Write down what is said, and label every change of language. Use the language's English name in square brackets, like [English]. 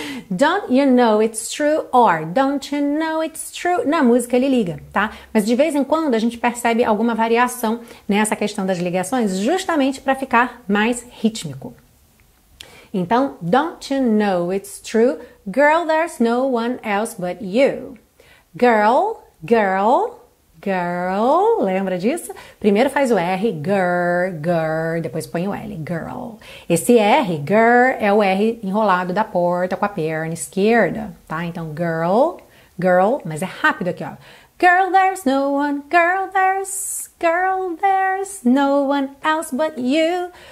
[English] Don't you know it's true or don't you know it's true. [Portuguese] Na música ele liga, tá? Mas de vez em quando a gente percebe alguma variação nessa questão das ligações, justamente para ficar mais rítmico. [English] Então, don't you know it's true? Girl, there's no one else but you. Girl, girl, girl. [Portuguese] Lembra disso? Primeiro faz o R, girl, girl. Depois põe o L, girl. Esse R, girl, é o R enrolado da porta com a perna esquerda, tá? Então, girl, girl. Mas é rápido aqui, ó. [English] Girl, there's no one. Girl, there's no one else but you.